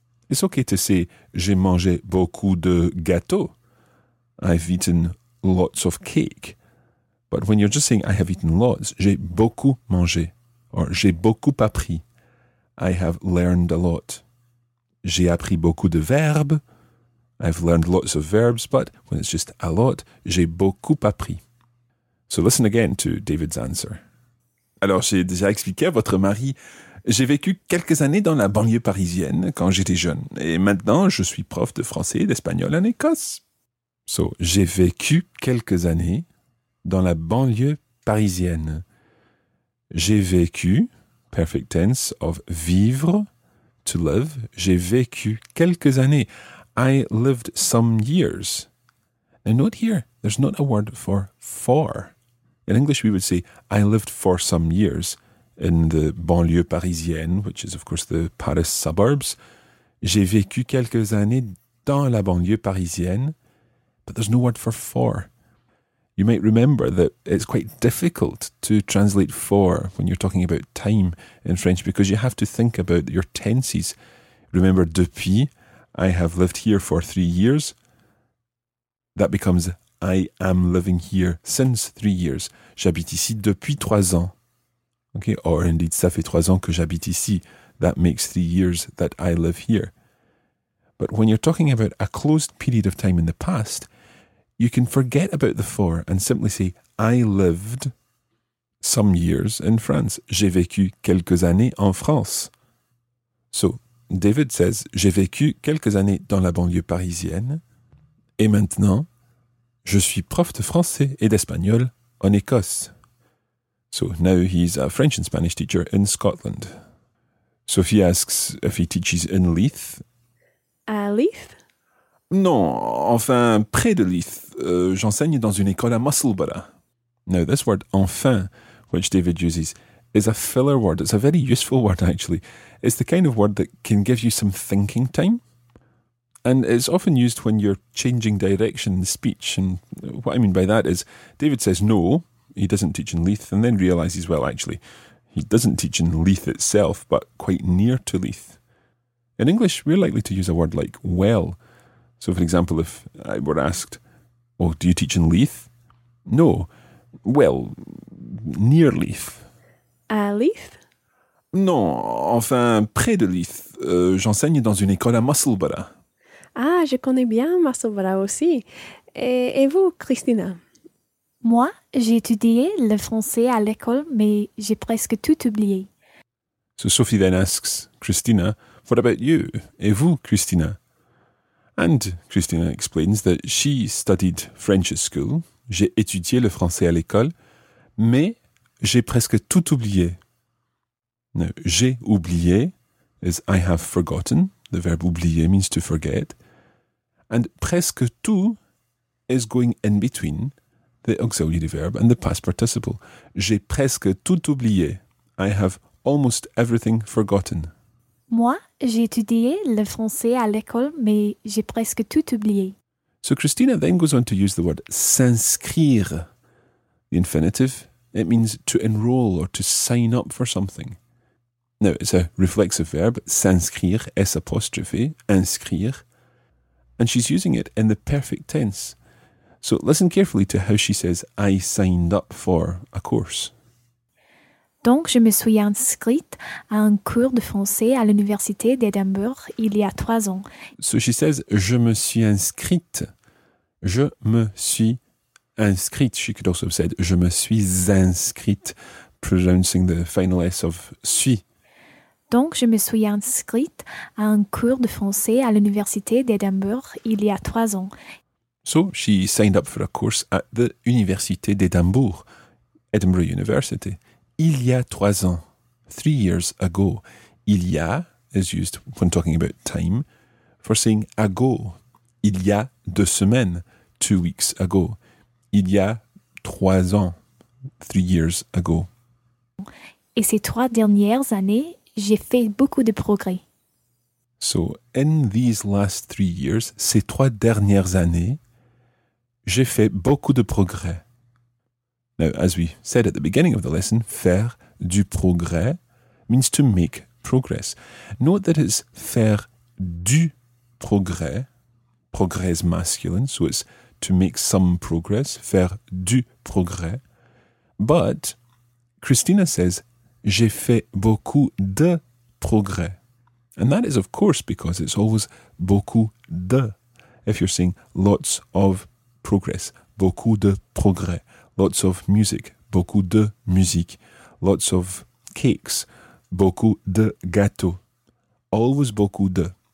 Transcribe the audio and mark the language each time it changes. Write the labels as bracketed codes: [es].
[en] It's okay to say [fr] j'ai mangé beaucoup de gâteaux. [en] I've eaten lots of cake. But when you're just saying I have eaten lots, [fr] j'ai beaucoup mangé. [en] Or [fr] j'ai beaucoup appris. [en] I have learned a lot. [fr] J'ai appris beaucoup de verbes. [en] I've learned lots of verbs, but when it's just a lot, [fr] j'ai beaucoup appris. [en] So listen again to David's answer. [fr] Alors, j'ai déjà expliqué à votre mari, J'ai vécu quelques années dans la banlieue parisienne quand j'étais jeune. Et maintenant, je suis prof de français et d'espagnol en Écosse. So, j'ai vécu quelques années dans la banlieue parisienne. J'ai vécu, [en] perfect tense of vivre, to live. [fr] J'ai vécu quelques années. [en] I lived some years. And note here, there's not a word for. In English, we would say, I lived for some years in the banlieue parisienne, which is, of course, the Paris suburbs. [fr] J'ai vécu quelques années dans la banlieue parisienne, [en] but there's no word for. You might remember that it's quite difficult to translate for when you're talking about time in French, because you have to think about your tenses. Remember, depuis, I have lived here for 3 years. That becomes, I am living here since 3 years. [fr] J'habite ici depuis 3 ans. [en] Okay, or indeed, [fr] ça fait 3 ans que j'habite ici. [en] That makes 3 years that I live here. But when you're talking about a closed period of time in the past, you can forget about the for and simply say, I lived some years in France. [fr] J'ai vécu quelques années en France. [en] So, David says, [fr] j'ai vécu quelques années dans la banlieue parisienne. Et maintenant, je suis prof de français et d'espagnol en Écosse. [en] So now he's a French and Spanish teacher in Scotland. Sophie asks if he teaches in Leith. [fr] À Leith? Non, enfin, près de Leith. J'enseigne dans une école à Musselburgh. [en] Now this word, enfin, which David uses, is a filler word. It's a very useful word, actually. It's the kind of word that can give you some thinking time. And it's often used when you're changing direction in the speech. And what I mean by that is, David says no, he doesn't teach in Leith, and then realises, well, actually, he doesn't teach in Leith itself, but quite near to Leith. In English, we're likely to use a word like well. So, for example, if I were asked, well, do you teach in Leith? No. Well, near Leith. [fr] À Leith? Non, enfin, près de Leith. J'enseigne dans une école à Musselburgh. Ah, je connais bien Musselburgh aussi. Et vous, Christina? Moi, j'ai étudié le français à l'école, mais j'ai presque tout oublié. [en] So Sophie then asks, Christina, what about you? [fr] Et vous, Christina? [en] And Christina explains that she studied French at school. [fr] J'ai étudié le français à l'école, mais j'ai presque tout oublié. [en] Now, j'ai oublié is I have forgotten. The verb oublier means to forget. And presque tout is going in between the auxiliary verb and the past participle. [fr] J'ai presque tout oublié. [en] I have almost everything forgotten. [fr] Moi, j'ai étudié le français à l'école, mais j'ai presque tout oublié. [en] So Christina then goes on to use the word s'inscrire, the infinitive. It means to enroll or to sign up for something. Now, it's a reflexive verb, s'inscrire, S apostrophe, inscrire. And she's using it in the perfect tense. So listen carefully to how she says, I signed up for a course. [fr] Donc, je me suis inscrite à un cours de français à l'université d'Edimbourg il y a 3 ans. [en] So she says, [fr] je me suis inscrite. Je me suis inscrite. [en] She could also have said, [fr] je me suis inscrite, [en] pronouncing the final S of suis. [fr] Donc, je me suis inscrite à un cours de français à l'université d'Edimbourg il y a 3 ans. [en] So, she signed up for a course at the Université d'Edimbourg, Edinburgh University, [fr] il y a 3 ans, [en] 3 years ago. Il y a is used when talking about time for saying ago. [fr] Il y a 2 semaines, [en] 2 weeks ago. [fr] Il y a 3 ans, [en] 3 years ago. [fr] Et ces 3 dernières années, j'ai fait beaucoup de progrès. [en] So, in these last 3 years, [fr] ces 3 dernières années, j'ai fait beaucoup de progrès. [en] Now, as we said at the beginning of the lesson, [fr] faire du progrès [en] means to make progress. Note that it's [fr] faire du progrès, [en] progrès masculine, so it's to make some progress, faire du progrès. But, Christina says, [fr] j'ai fait beaucoup de progrès. [en] And that is, of course, because it's always beaucoup de. If you're saying lots of progress, [fr] beaucoup de progrès. [en] Lots of music, [fr] beaucoup de musique. [en] Lots of cakes, [fr] beaucoup de gâteaux. [en] Always [fr] beaucoup de.